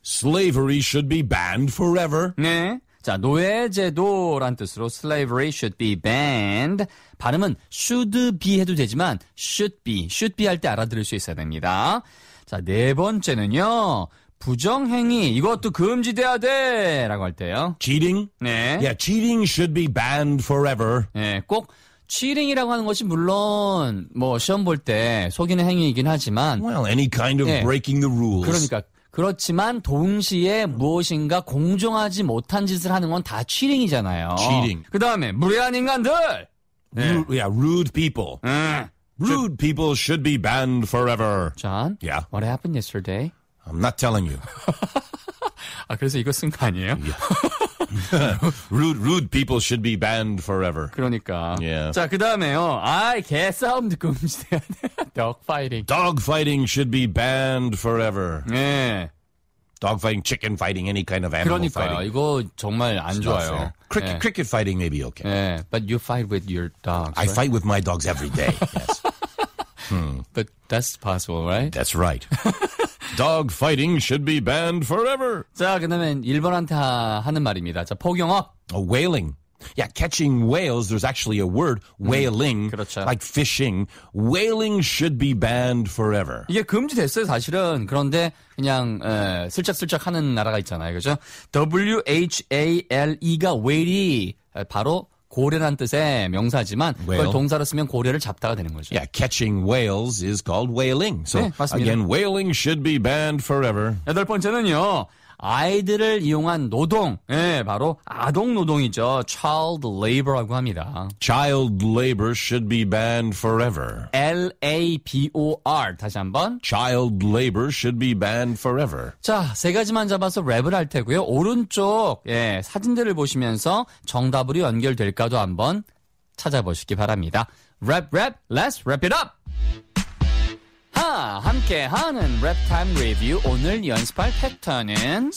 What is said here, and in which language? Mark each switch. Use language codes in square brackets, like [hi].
[en] Slavery should be banned forever. [ko] 네, 자, 노예제도란 뜻으로 [en] slavery should be banned. [ko] 발음은 should be 해도 되지만 should be, should be 할 때 알아들을 수 있어야 됩니다. 자, 네 번째는요. 부정행위, 이것도 금지돼야 돼! 라고 할 때요. [en] Cheating? [ko] 네. [en] Yeah, cheating should be banned forever. [ko] 네, 꼭 cheating이라고 하는 것이 물론 뭐 시험 볼 때 속이는 행위이긴 하지만 [en] Well, any kind of 네. breaking the rules. [ko] 그러니까 그렇지만 동시에 무엇인가 공정하지 못한 짓을 하는 건 다 cheating이잖아요. [en] Cheating. [ko] 그 다음에 무례한 인간들! [en] 네. Rude people. [ko] 네. [en] Rude people should be banned forever. John? Yeah? What happened yesterday? I'm not telling you. [ko] 아, 그래서 이거 쓴 거 아니에요? [en] Yeah. rude people should be banned forever. [ko] 그러니까. [en] Yeah. [ko] 자, 그 다음에요. 아이, 개싸움도 금지돼야 돼. [en] Dog fighting should be banned forever. [ko] 네. [en] Dog fighting, chicken fighting, any kind of animal [ko] 그러니까요. [en] fighting. [ko] 그러니까요. 이거 정말 안 [en] It's [ko] 좋아요. [en] Cricket fighting may be okay. [ko] 네. [en] But you fight with your dogs, I right? fight with my dogs every day, yes. But that's possible, right? That's right. Dog fighting should be banned forever. [ko] 자, 그다음에 일본한테 하는 말입니다. 자, 포경업. [en] Oh, whaling. Yeah, catching whales, there's actually a word, whaling, [ko] 그렇죠. [en] like fishing. Whaling should be banned forever. [ko] 이게 금지됐어요, 사실은. 그런데 그냥 슬쩍슬쩍 하는 나라가 있잖아요, 그렇죠? W-H-A-L-E가 whale이 바로 고래란 뜻의 명사지만 whale. 그걸 동사로 쓰면 고래를 잡다가 되는 거죠. [en] Yeah, catching whales is called whaling. So [ko] 네, 맞습니다. [en] Again, whaling should be banned forever. [ko] 여덟 번째는요. 아이들을 이용한 노동, 예, 네, 바로 아동 노동이죠. Child labor라고 합니다. [en] Child labor should be banned forever. [ko] L-A-B-O-R. 다시 한번. [en] Child labor should be banned forever. [ko] 자, 세 가지만 잡아서 랩을 할 테고요. 오른쪽 예, 사진들을 보시면서 정답으로 연결될까도 한번 찾아보시기 바랍니다. [en] Rap, let's wrap it up. [ko] 함께하는 랩 타임 리뷰 오늘 연습할 패턴은